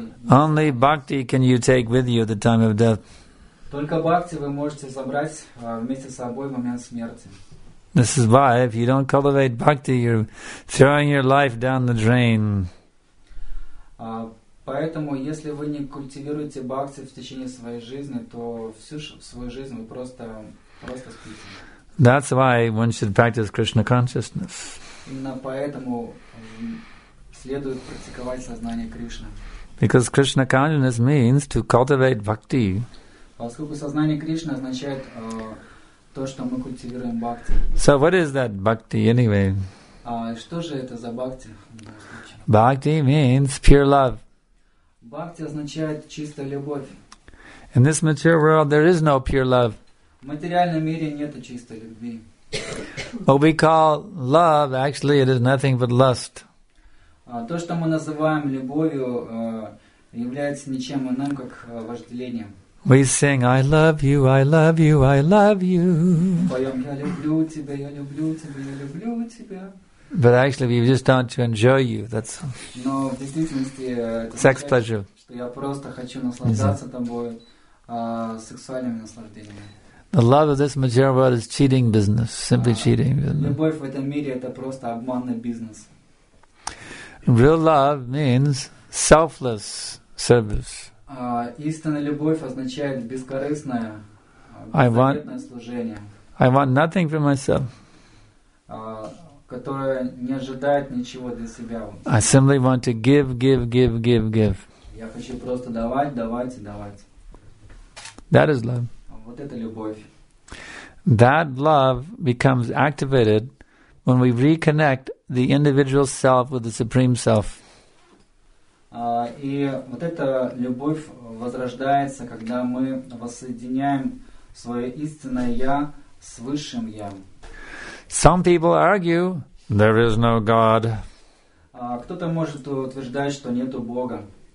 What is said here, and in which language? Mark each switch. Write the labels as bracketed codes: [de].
[en] Only bhakti can you take with you at the time of death. [ru] Только бхакти вы можете забрать вместе с собой в момент смерти. [en] This is why, if you don't cultivate bhakti, you're throwing your life down the drain. [ru] Поэтому, если вы не культивируете бхакти в течение своей жизни, то всю свою жизнь вы просто спите. [en] That's why one should practice Krishna consciousness. [ru] Именно поэтому следует практиковать сознание Кришны. [en] Because Krishna consciousness means to cultivate bhakti. [ru] Поскольку сознание Кришны означает то, что мы культивируем бхакти. [en] So what is that bhakti anyway? [ru] Что же это за бхакти? [en] Bhakti means pure love. [ru] Бхакти означает чистая любовь. [en] In this material world there is no pure love. [ru] В материальном мире нет чистой любви. [en] What we call love, actually it is nothing but lust. [ru] То, что мы называем любовью, является ничем иным, как вожделением. [en] We sing, I love you, I love you, I love you. [ru] Поем, я люблю тебя, я люблю тебя, я люблю тебя. [en] But actually we just want to enjoy you, that's [ru] но в действительности это [en] sex pleasure. [ru] Что я просто хочу наслаждаться тобой сексуальными наслаждениями. [en] The love of this material world is cheating business, simply cheating business. [ru] Любовь в этом мире — это просто обманный бизнес. [en] Real love means selfless service. [ru] Истинная любовь означает бескорыстное, беззаветное служение. [en] I want nothing for myself. [ru] Которое не ожидает ничего для себя. [en] I simply want to give, give, give, give, give. [ru] Я хочу просто давать, давать и давать. [en] That is love. [ru] Вот это любовь. [en] That love becomes activated when we reconnect the individual self with the Supreme Self. [ru] И вот эта любовь возрождается, когда мы воссоединяем свое истинное Я с Высшим Я. [en] Some people argue there is no God. [ru] Кто-то может утверждать, что нету Бога.